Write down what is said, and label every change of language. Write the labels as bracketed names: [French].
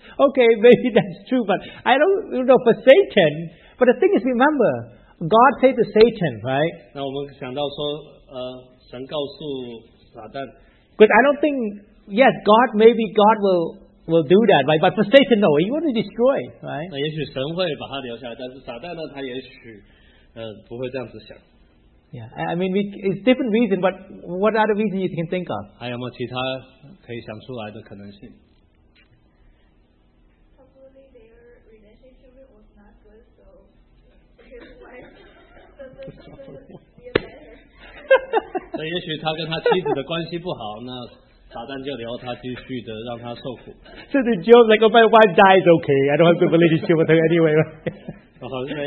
[English] Okay, maybe that's true, but I don't know for Satan. But the thing is, remember, God said to Satan, right? [Chinese] 那我们想到说, 神告诉撒旦, [English] but I don't think, yes, God, maybe God will do that, right? But for Satan, no, he wants to destroy, right? [Chinese] 也许神会把他留下来，但是撒旦呢，他也许不会这样子想。 [English] Yeah, I mean, it's different reason, but what other reason you can think of? [Chinese] 还有没有其他可以想出来的可能性？ [English] So the Job like, oh, my wife dies, okay, I don't have the relationship with her anyway.